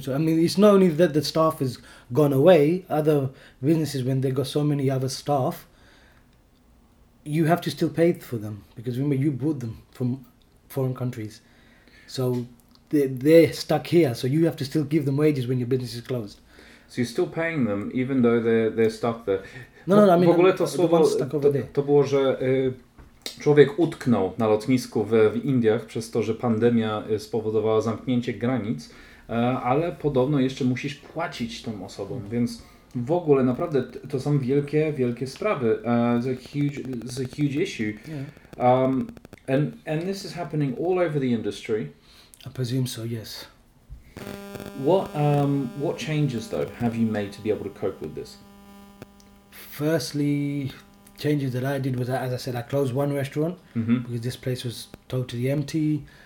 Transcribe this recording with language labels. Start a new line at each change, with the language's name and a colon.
English: So, I mean, it's not only that the staff has gone away. Other businesses, when they got so many other staff, you have to still pay for them, because remember, you bought them from foreign countries, so they're stuck here. So you have to still give them wages when your business is closed. So you're still paying them, even though they're stuck there. No, I mean,
Polish: w ogóle to słowo,
English: stuck over there.
Polish: To było, że człowiek utknął na lotnisku w Indiach przez to, że pandemia spowodowała zamknięcie granic, ale podobno jeszcze musisz płacić tą osobom, więc w ogóle naprawdę to są wielkie, wielkie sprawy.
English: It's a huge issue. Yeah. And this is happening all over the industry. I presume so, yes. What changes, though, have you made to be able to cope with this? Firstly, changes that I did was, as I said, I closed one restaurant because this place was totally empty.